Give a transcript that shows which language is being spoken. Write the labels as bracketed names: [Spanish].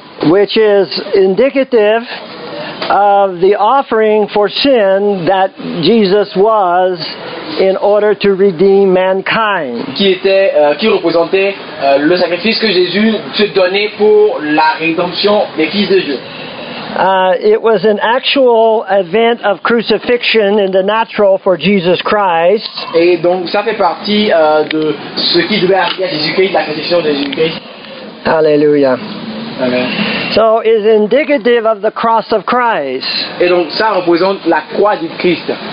[English] which is indicative of the offering for sin that Jesus was in order to redeem mankind. [French] Qui représentait le sacrifice que Jésus se donnait pour la rédemption des fils de Dieu. [English] It was an actual event of crucifixion in the natural for Jesus Christ. [French] Et donc ça fait partie de ce qui devait arriver à Jésus-Christ, la crucifixion de Jésus-Christ. Alléluia. Amen. [English] So is indicative of the cross of Christ. [French] Et donc ça représente la croix du Christ.